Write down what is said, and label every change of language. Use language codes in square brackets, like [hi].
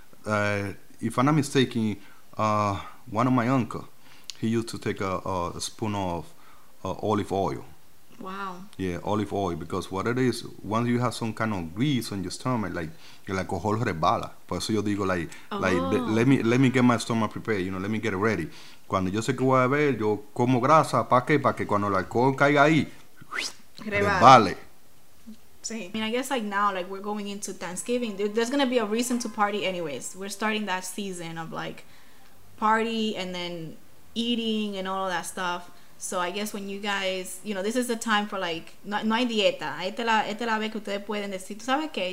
[en] If I'm not mistaken, one of my uncle, he used to take a spoon of olive oil. Wow. Yeah, olive oil. Because what it is, once you have some kind of grease on your stomach, like [es] el alcohol resbala. Por eso yo digo, [en] like, let me get my stomach prepared, you know, let me get it ready. [es] Cuando yo sé que voy a beber, yo como grasa, ¿para qué? Para que cuando el alcohol caiga ahí, resbale. [en] I mean, I guess like now, like we're going into Thanksgiving, there's going to be a reason to party anyways. We're starting that season of like party and then eating and all of that stuff. So I guess when you guys, you know, this is the time for like, [es] no hay dieta. Esta es la vez que ustedes pueden decir, ¿tú sabes qué?